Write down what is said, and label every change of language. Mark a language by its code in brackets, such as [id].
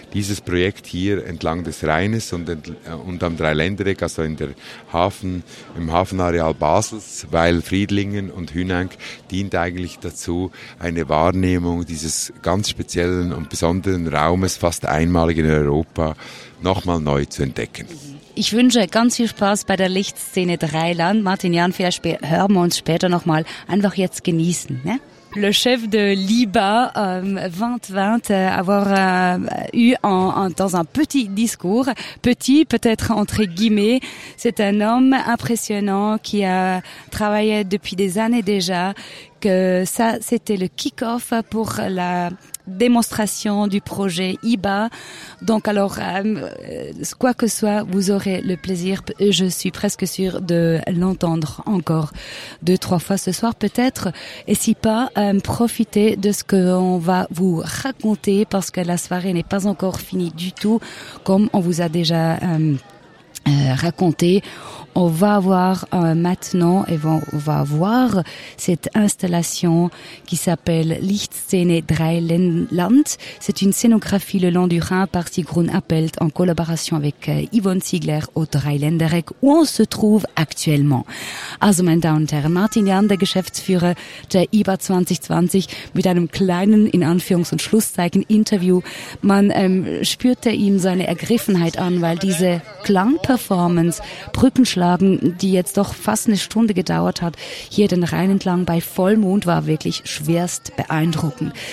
[de] Dieses Projekt hier entlang des Rheines und am Dreiländereck, also in der im Hafenareal Basels, Weil, Friedlingen und Hüneng, dient eigentlich dazu, eine Wahrnehmung dieses ganz speziellen und besonderen Raumes, fast einmalig in Europa, nochmal neu zu entdecken. Ich wünsche ganz viel Spaß bei der Lichtszene Dreiland. Martin Jan, vielleicht hören wir uns später nochmal. Einfach jetzt genießen, ne? [fr] Le chef de l'IBA 2020 eu dans un petit discours, petit peut-être entre guillemets, c'est un homme impressionnant qui a travaillé depuis des années déjà, que ça c'était le kick-off pour la démonstration du projet IBA. Donc alors, quoi que soit, vous aurez le plaisir, je suis presque sûre, de l'entendre encore deux, trois fois ce soir peut-être. Et si pas, profitez de ce qu'on va vous raconter, parce que la soirée n'est pas encore finie du tout, comme on vous a déjà raconté. On va voir maintenant et on va voir cette installation qui s'appelle Lichtszene Dreiland. C'est une scénographie le long du Rhin par Sigrun Appelt en collaboration avec Yvonne Ziegler au Dreiländereck où on se trouve actuellement. [de] Also, meine Damen und Herren, Martin Jahn, der Geschäftsführer der IBA 2020, mit einem kleinen, in Anführungs- und Schlusszeichen, Interview. Man spürte ihm seine Ergriffenheit an, weil diese Klangperformance, Brückenschlagen, die jetzt doch fast eine Stunde gedauert hat, hier den Rhein entlang bei Vollmond war wirklich schwerst beeindruckend.